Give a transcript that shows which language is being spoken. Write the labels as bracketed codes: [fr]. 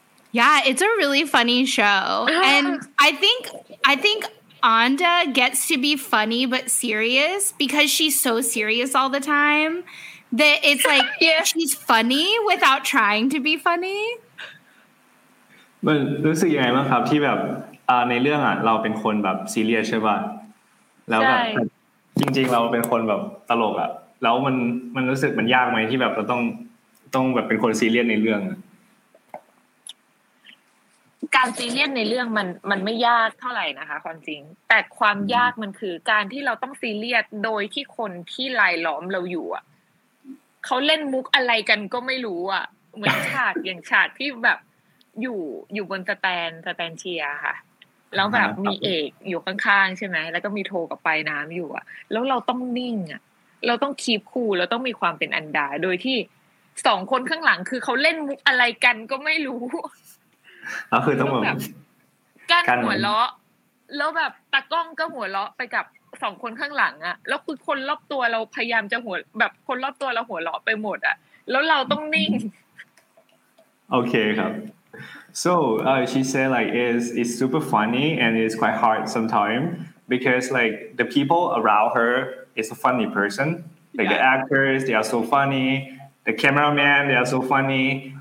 [en] Yeah, it's a really funny show. And I think Anda gets to be funny but serious because she's so serious all the time that it's like she's funny without trying to be funny. [th] But รู้สึกยังไงบ้างครับที่แบบในเรื่องอ่ะเราเป็นคนแบบซีเรียสใช่ป่ะแล้วแบบจริงๆเราเป็นคนแบบตลกอ่ะแล้วมันรู้สึกมันยากไหมที่แบบเราต้องแบบเป็นคนซีเรียสในเรื่อง การซีเรียสในเรื่องมันไม่ยากเท่าไหร่นะคะความจริงแต่ความยากมันคือการที่เราต้องซีเรียสโดยที่คนที่รายล้อมเราอยู่อ่ะเขาเล่นมุกอะไรกันก็ไม่รู้อ่ะเหมือนฉากอย่างฉากที่แบบอยู่บนสแตนเชียค่ะแล้วแบบมีเอกอยู่ข้างๆใช่ไหมแล้วก็มีโทรกับปลายน้ำอยู่อะแล้วเราต้องนิ่งอะเราต้องคีปคูลเราต้องมีความเป็นอันดาโดยที่สองคนข้างหลังคือเขาเล่นอะไรกันก็ไม่รู้แล้วคือต้องแบบ กั้นหัวเราะแล้วแบบตากล้องก็หัวเราะไปกับสองคนข้างหลังอะแล้วคือคนรอบตัวเราพยายามจะหัวแบบคนรอบตัวเราหัวเราะไปหมดอะแล้วเราต้องนิ่ง โอเคครับ [en] So she said like it's super funny and it's quite hard sometimes because like the people around her is a funny person. Like the actors, they are so funny. The cameraman, they are so funny.